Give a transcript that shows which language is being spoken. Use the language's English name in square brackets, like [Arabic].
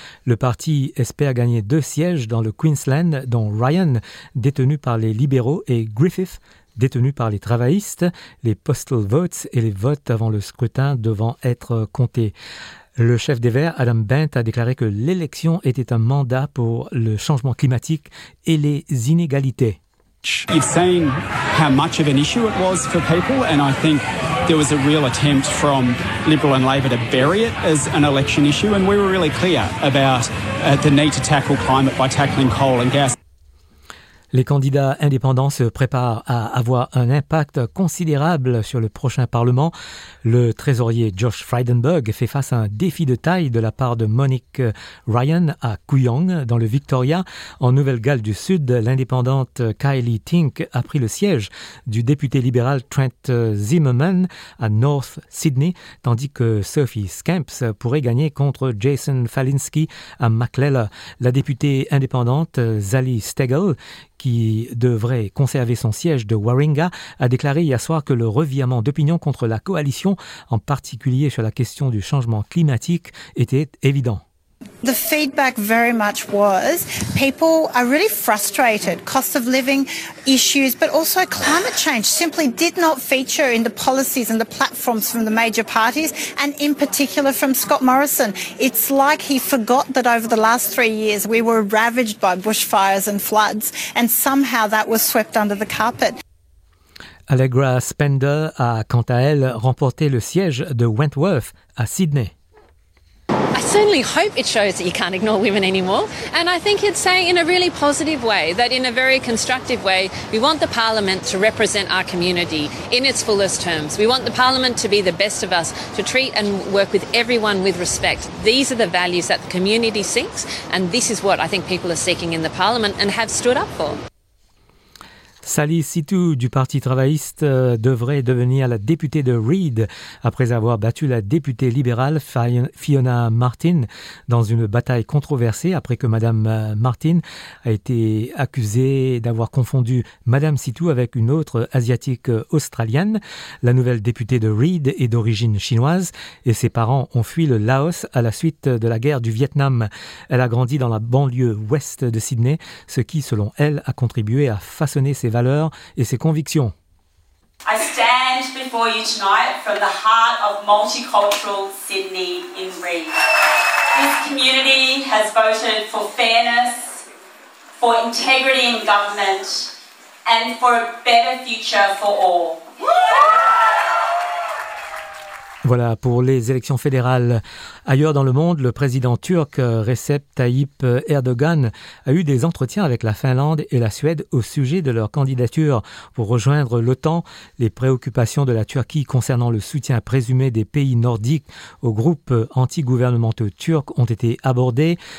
[French] Le parti espère gagner 2 sièges dans le Queensland, dont Ryan, détenu par les libéraux, et Griffith, détenu par les travaillistes. Les postal votes et les votes avant le scrutin devant être comptés. Le chef des Verts, Adam Bent, a déclaré que l'élection était un mandat pour le changement climatique et les inégalités. [English] You've seen how much of an issue it was for people, and I think there was a real attempt from Liberal and Labor to bury it as an election issue, and we were really clear about the need to tackle climate by tackling coal and gas. [French] Les candidats indépendants se préparent à avoir un impact considérable sur le prochain Parlement. Le trésorier Josh Frydenberg fait face à un défi de taille de la part de Monique Ryan à Kooyong, dans le Victoria. En Nouvelle-Galles du Sud, l'indépendante Kylie Tink a pris le siège du député libéral Trent Zimmerman à North Sydney, tandis que Sophie Scamps pourrait gagner contre Jason Falinski à McLella. La députée indépendante Zali Stegall, qui devrait conserver son siège de Warringah, a déclaré hier soir que le revirement d'opinion contre la coalition, en particulier sur la question du changement climatique, était évident. [English] The feedback very much was people are really frustrated. Cost of living issues, but also climate change simply did not feature in the policies and the platforms from the major parties, and in particular from Scott Morrison. It's like he forgot that over the last 3 years we were ravaged by bushfires and floods, and somehow that was swept under the carpet. [French] Allegra Spender a, quant à elle, remporté le siège de Wentworth à Sydney. [English] I certainly hope it shows that you can't ignore women anymore. And I think it's saying in a really positive way, that in a very constructive way, we want the Parliament to represent our community in its fullest terms. We want the Parliament to be the best of us, to treat and work with everyone with respect. These are the values that the community seeks, and this is what I think people are seeking in the Parliament and have stood up for. [French] Sally Situ du Parti travailliste devrait devenir la députée de Reid après avoir battu la députée libérale Fiona Martin dans une bataille controversée après que Madame Martin a été accusée d'avoir confondu Madame Situ avec une autre asiatique australienne. La nouvelle députée de Reid est d'origine chinoise et ses parents ont fui le Laos à la suite de la guerre du Vietnam. Elle a grandi dans la banlieue ouest de Sydney, ce qui, selon elle, a contribué à façonner ses valeurs et ses convictions. [English] I stand before you tonight from the heart of multicultural Sydney in Reid. This community has voted for fairness, for integrity in government, and for a better future for all. [French] Voilà pour les élections fédérales. Ailleurs dans le monde, le président turc Recep Tayyip Erdogan a eu des entretiens avec la Finlande et la Suède au sujet de leur candidature pour rejoindre l'OTAN. Les préoccupations de la Turquie concernant le soutien présumé des pays nordiques aux groupes anti-gouvernementaux turcs ont été abordées.